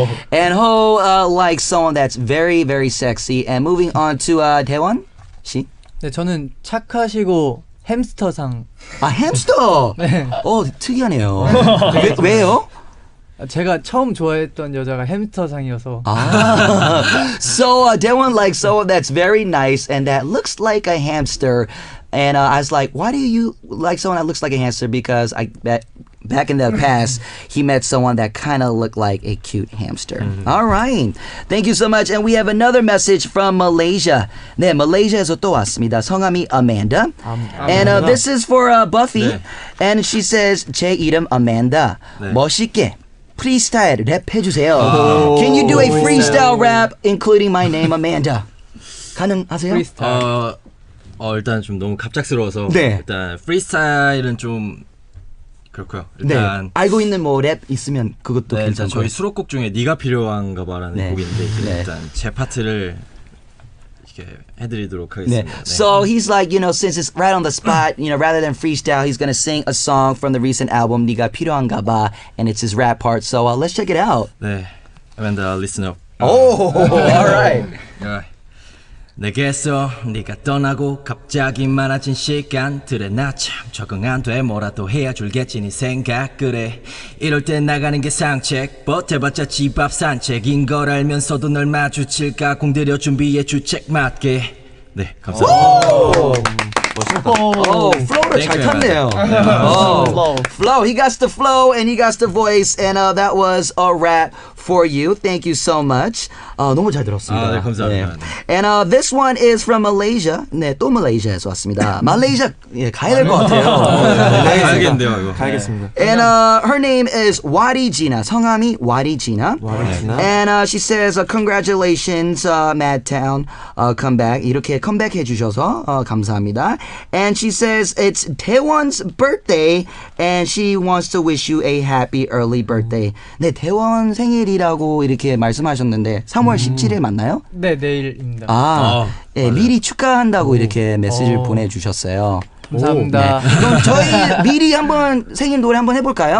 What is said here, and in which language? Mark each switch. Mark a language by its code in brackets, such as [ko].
[en] And Ho likes someone that's very very sexy. And moving on to Daewon 씨. [ko] 네, 저는 착하시고 햄스터상. 아, 햄스터. 네. 특이하네요. 왜요? 제가 처음 좋아했던 여자가 햄스터상이어서. 아. [en] So Daewon likes someone that's very nice and that looks like a hamster. And I was like, why do you like someone that looks like a hamster? Because I bet back in the past, he met someone that kind of looked like a cute hamster. Mm-hmm. All right. Thank you so much. And we have another message from Malaysia. [ko] 네, 말레이시아에서 또 왔습니다. 성함이 [en] Amanda. And this is for Buffy. 네. And she says, [ko] 제 이름 [en] Amanda. 네. [ko] 멋있게 프리스타일 랩 해주세요. [en] Oh, can you do a freestyle rap, including my name, Amanda? [ko] 가능하세요? 프리스타일. 일단 좀 너무 갑작스러워서. 네. 일단 프리스타일은 좀... 그렇고요. 일단 네. 알고 있는 뭐 랩 있으면 그것도 네, 괜찮고. 저희 수록곡 중에 네가 필요한가 봐라는 네. 곡인데 네. 일단 제 파트를 이렇게 해드리도록 하겠습니다. 네. 네. [en] So he's like, you know, since it's right on the spot, you know, rather than freestyle, he's gonna sing a song from the recent album 네가 필요한가 봐, and it's his rap part. So let's check it out. 네, Amanda, listen up. All right. [ko] 내게서 네가 떠나고 갑자기 많아진 시간들에 나 참 적응 안 돼 뭐라도 해야 줄겠지 네 생각 그래 이럴 때 나가는 게 산책 버텨봤자 집 앞 산책인 걸 알면서도 널 마주칠까 공들여 준비해 주책 맞게 네 감사합니다 [en] Flow, he got the flow and he got the voice and that was a rap for you. Thank you so much. [ko] 너무 잘 들었습니다. 네, 감사합니다. 네. [en] And this one is from Malaysia. [ko] 네, 또 말레이시아에서 왔습니다. 말레이시아 예, 가야 될 것 같아요. 네, 가야겠는데요, 이거. 가야겠습니다. [en] And her name is Wadi Gina. [ko] 성함이 [en] Wadi Gina. And she says, congratulations, MADTOWN, comeback. [ko] 이렇게 comeback 해주셔서 감사합니다. [en] And she says it's Daewon's birthday, and she wants to wish you a happy early birthday. [ko] 네, 대원 생일이라고 이렇게 말씀하셨는데 3월 17일 맞나요? 네, 내일입니다. 아 네, 미리 축하한다고 이렇게 메시지를 보내주셨어요. 감사합니다. 네. 그럼 저희 미리 한번 생일 노래 한번 해볼까요?